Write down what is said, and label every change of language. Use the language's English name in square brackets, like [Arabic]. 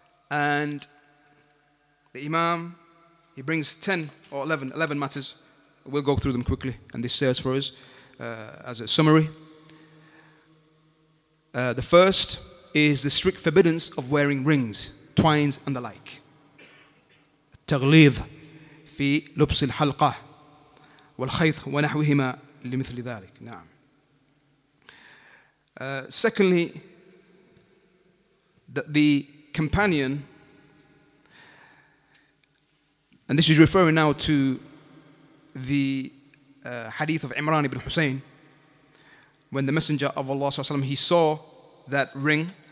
[English] And the Imam, he brings 11 matters. We'll go through them quickly, and this serves for us as a summary. The first is the strict forbiddance of wearing rings, twines, and the like. [Arabic] التغليظ في لبس الحلقة والخيط ونحوهما لمثل ذلك. نعم. [English] Secondly, that the companion, and this is referring now to the hadith of Imran ibn Hussein, when the Messenger of Allah ﷺ, he saw that ring